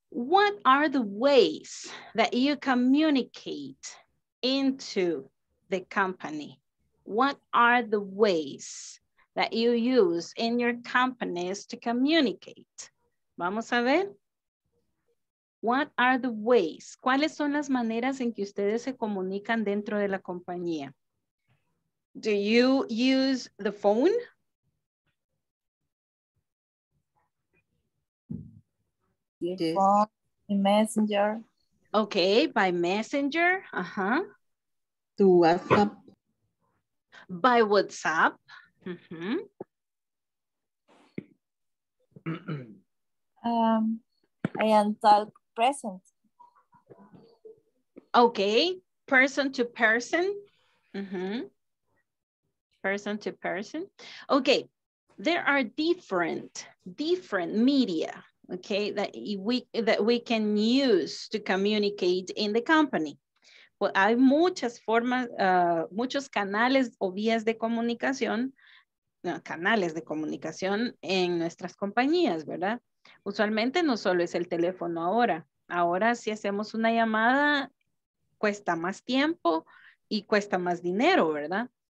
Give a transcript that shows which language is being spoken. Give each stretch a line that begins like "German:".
English: What are the ways that you communicate into the company? What are the ways that you use in your companies to communicate?
Spanish: Vamos a ver.
English: What are the ways?
Spanish: ¿Cuáles son las maneras en que ustedes se comunican dentro de la compañía?
English: Do you use the phone? Messenger. Okay, by messenger. Uh-huh. To WhatsApp. By WhatsApp. Mm-hmm. I am talk present. Okay, person to person. Mm-hmm. Person to person. Okay, there are different media. Okay, that we can use to communicate in the company.
Spanish: Well, hay muchas formas, muchos canales o vías de comunicación, canales de comunicación en nuestras compañías, ¿verdad? Usualmente no solo es el teléfono ahora. Ahora si hacemos una llamada, cuesta más tiempo y cuesta más dinero, ¿verdad?